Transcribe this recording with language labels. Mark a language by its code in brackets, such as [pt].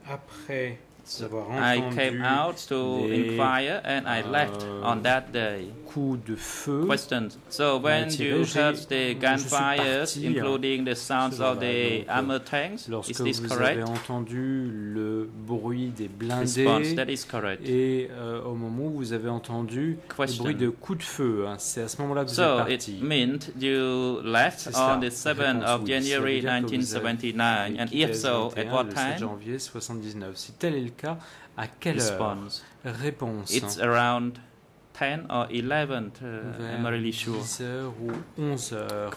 [fr] Après avoir [en] I came out to inquire and I left on that day. [fr] beaucoup de feu. [en] Questions. So when you heard the gunfires, including the sounds of the armored tanks, is this correct? [fr] Avez entendu le bruit des blindés. [en] Response. That is correct. [fr] Et au moment où vous avez entendu Question. Le bruit de coups de feu, hein, c'est à ce moment-là que vous [en] so [fr] êtes parti. [en] So it meant you left on the 7th of January 1979, and if so, at what time? [fr] Le 7 janvier 79. Si tel est le cas, à quelle [en] Response. [fr] Heure? Réponse. [en] It's around 10 or 11, I'm not really sure. [fr] 10h ou 11h.